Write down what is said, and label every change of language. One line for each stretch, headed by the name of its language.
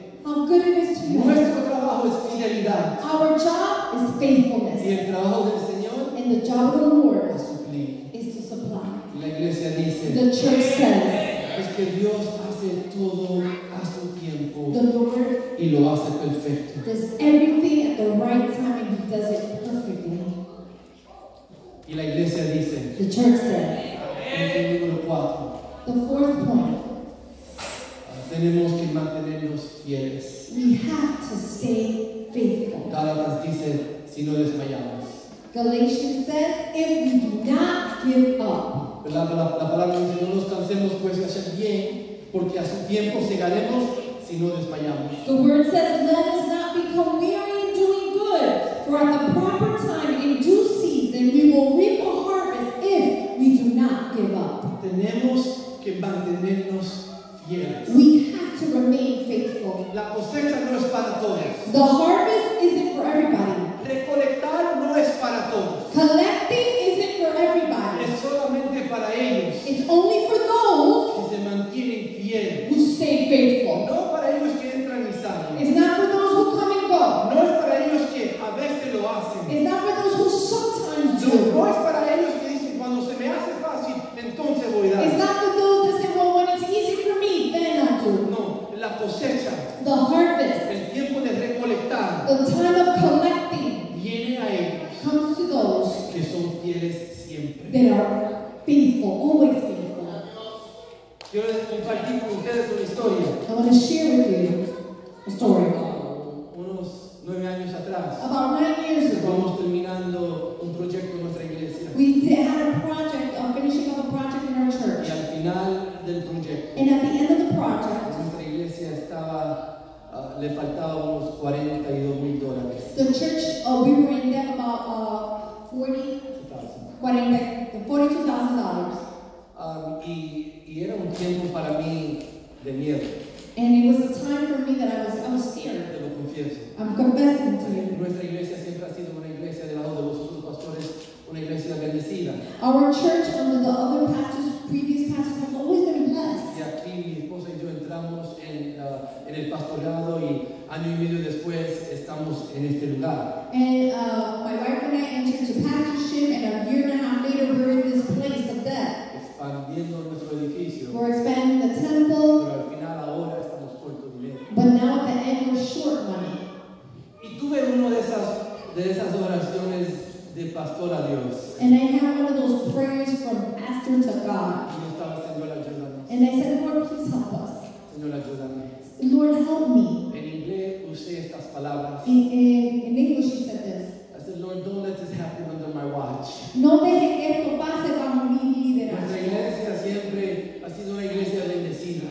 English: How good it is to you.
Spanish: Nuestro trabajo es fidelidad.
English: Our job is faithfulness.
Spanish: Y el trabajo del Señor,
English: and the job of the Lord,
Spanish: es suplir.
English: Is to supply.
Spanish: La iglesia dice,
English: the church says,
Spanish: es que Dios hace todo a su tiempo.
English: The Lord,
Spanish: y lo hace perfecto.
English: Does everything at the right time, and He does it perfectly.
Spanish: Y la iglesia dice,
English: the church said,
Spanish: número cuatro,
English: the fourth point,
Spanish: tenemos que mantenernos fieles.
English: We have to stay faithful.
Spanish: Gálatas dice, si no desmayamos.
English: Galatians says, if we do not give up.
Spanish: La palabra dice, no nos cansemos pues de hacer bien, porque a su tiempo segaremos si no desmayamos.
English: The word says, let us not become weary in doing good, for at the proper time, in due season, we will reap a harvest if we do not give up.
Spanish: Tenemos que mantenernos fieles.
English: We have to remain faithful.
Spanish: La cosecha no es para todos.
English: The harvest isn't for everybody.
Spanish: Recolectar no es para todos.
English: Collecting isn't for everybody.
Spanish: Es solamente para ellos.
English: It's only for those
Spanish: que se mantienen fiel.
English: Who stay faithful.
Spanish: No para ellos que entran y salen.
English: It's not for those who come and go.
Spanish: No es para ellos que a veces lo hacen.
English: It's not for those who sometimes do.
Spanish: No es para ellos que dicen, cuando se me hace fácil, entonces voy a dar.
English: It's not for those that say, well, when it's easy for me, then I'll do.
Spanish: No, la cosecha.
English: The harvest.
Spanish: El tiempo de recolectar.
English: The time of collecting. Comes to those
Spanish: que son fieles siempre.
English: They are faithful, always faithful.
Spanish: Quiero compartir con ustedes una historia.
English: I want to share with you a story.
Spanish: Unos 9 años atrás.
English: About 9 years ago.
Spanish: Estamos terminando un proyecto en nuestra iglesia.
English: We had a project, finishing up a project in our church.
Spanish: Y al final del proyecto.
English: And at the end of the project.
Spanish: Nuestra iglesia estaba. Le faltaba unos $42,000.
English: The church, we were in debt about $42,000.
Spanish: Y era un tiempo para mí de miedo.
English: And it was a time for me that I was scared.
Spanish: Te lo confieso.
English: I'm confessing to you.
Spanish: Nuestra iglesia siempre ha sido una iglesia debajo de vosotros, pastores, una iglesia bendecida.
English: Our church, under the other pastors, previous pastors, have always been blessed.
Spanish: Y aquí mi esposa y yo entramos en el pastorado y año y medio después estamos en este lugar.
English: And my wife and I entered to pastorship, and a year and a half later we're in this place of death.
Spanish: Expandiendo nuestro edificio.
English: We're expanding the temple.
Spanish: Pero al final ahora estamos cortos de dinero.
English: But now at the end we're short money.
Spanish: Y tuve uno de esas oraciones de pastor a Dios.
English: And I had one of those prayers from pastor to God.
Spanish: Y yo estaba, Señor, ayúdanos.
English: And I said, Lord, please help us.
Spanish: Señor, ayúdame.
English: Lord, help me.
Spanish: En inglés usé estas palabras.
English: In English, he said this. I said, Lord, don't let this happen under my watch.
Spanish: No deje que esto pase bajo mi liderazgo. Nuestra iglesia siempre ha sido una iglesia bendecida.